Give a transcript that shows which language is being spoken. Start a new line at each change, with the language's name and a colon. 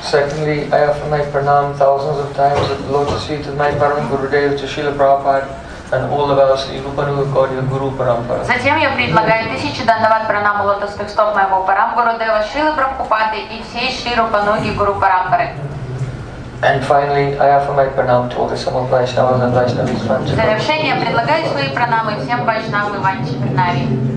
English: Secondly, I offer my pranam thousands of times at the lotus feet of my Param Gurudev to Srila Prabhupada and all of us, Rupa Nugachari Guru Parampara.
Russian: Затем я предлагаю тысячи дандават пранаму лотосных стоп моего Парам Гурудева, Шрилы Прабхупады и всей Шри Рупа Нуги Гуру Парампары.
English: And finally, I offer my pranam to all the Samal Vaishnavas and Vaishnavis Vanchi.
Russian: В завершение предлагаю свои пранамы всем Вайшнавам и Ванчи Пранави.